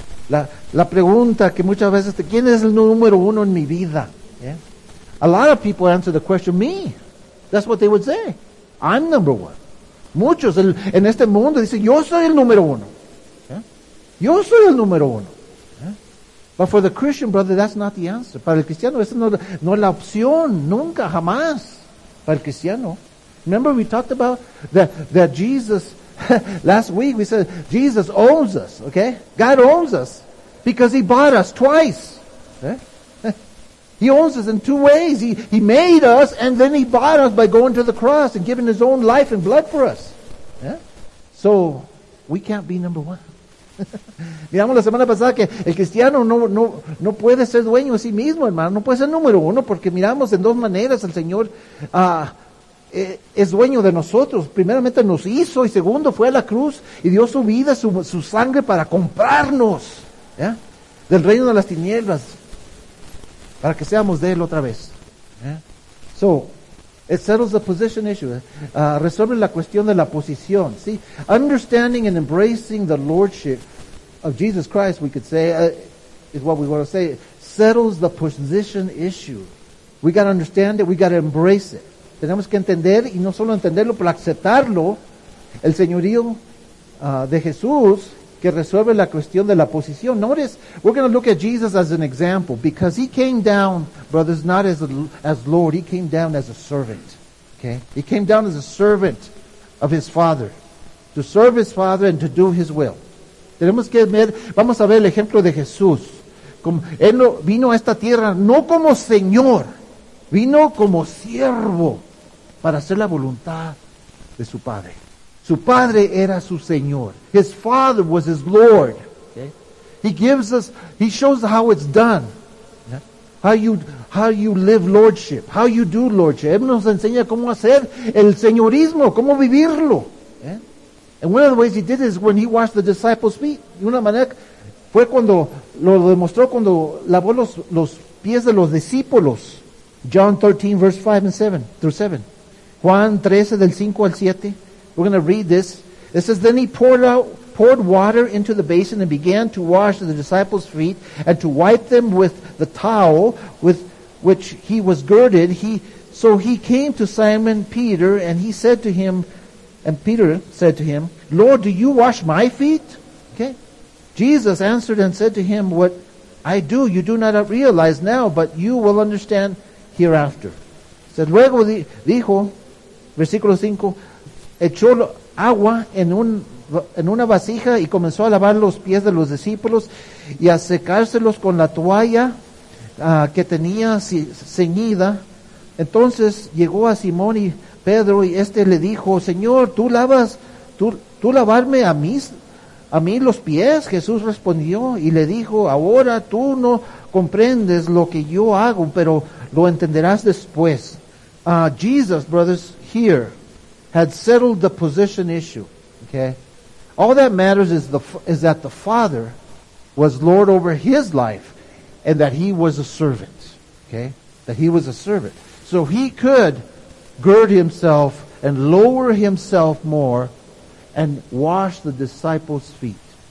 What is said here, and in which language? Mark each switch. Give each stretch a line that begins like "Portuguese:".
Spanish: La pregunta que muchas veces, ¿quién es el número uno en mi vida? ¿Eh?
English: A lot of people answer the question, me. That's what they would say. I'm number one.
Spanish: Muchos en este mundo dicen, yo soy el número uno. ¿Eh? Yo soy el número uno.
English: But for the Christian brother, that's not the answer.
Spanish: Para el cristiano, esa no es la opción, nunca, jamás. Para el cristiano.
English: Remember we talked about that Jesus, last week we said, Jesus owns us, okay? God owns us because He bought us twice. Okay? He owns us in two ways. He made us and then He bought us by going to the cross and giving His own life and blood for us. Yeah? So, we can't be number one.
Spanish: Miramos la semana pasada que el cristiano no puede ser dueño de sí mismo, hermano. No puede ser número uno porque miramos en dos maneras. El Señor es dueño de nosotros. Primeramente nos hizo y segundo fue a la cruz y dio su vida, su sangre para comprarnos, ¿eh? Del reino de las tinieblas para que seamos de Él otra vez. ¿Eh?
English: So, it settles the position issue.
Spanish: Resuelve la cuestión de la posición.
English: See, understanding and embracing the lordship of Jesus Christ, we could say, is what we want to say. Settles the position issue. We got to understand it. We got to embrace it.
Spanish: Tenemos que entender y no solo entenderlo, pero aceptarlo. El señorío de Jesús que resuelve la cuestión de la posición.
English: Notice, we're going to look at Jesus as an example because He came down, brothers, not as Lord. He came down as a servant. Okay, He came down as a servant of His Father to serve His Father and to do His will.
Spanish: Tenemos que ver, vamos a ver el ejemplo de Jesús. Como, Él no, vino a esta tierra no como Señor, vino como siervo para hacer la voluntad de su Padre. Su Padre era su Señor.
English: His Father was His Lord. Okay? He shows how it's done. Yeah? How you live lordship. How you do lordship.
Spanish: Él nos enseña cómo hacer el señorismo, cómo vivirlo.
English: Yeah? And one of the ways He did it is when He washed the disciples' feet.
Spanish: Y una manera fue cuando lo demostró cuando lavó los pies de los discípulos.
English: John 13, verse 5 and 7, through 7.
Spanish: Juan 13, del 5 al 7.
English: We're going to read this. It says, then He poured water into the basin and began to wash the disciples' feet and to wipe them with the towel with which He was girded. So he came to Simon Peter and he said to him, and Peter said to him, Lord, do you wash my feet? Okay. Jesus answered and said to him, what I do you do not realize now, but you will understand hereafter. He said,
Spanish: luego dijo, versículo 5, echó agua en una vasija y comenzó a lavar los pies de los discípulos y a secárselos con la toalla que tenía ceñida. Entonces llegó a Simón y Pedro y este le dijo, Señor, ¿tú lavarme a mí los pies? Jesús respondió y le dijo, ahora tú no comprendes lo que yo hago, pero lo entenderás después.
English: Jesus, brothers, here had settled the position issue. Okay, all that matters is that the Father was Lord over his life, and that he was a servant. Okay, that he was a servant, so he could gird himself and lower himself more and wash the disciples' feet.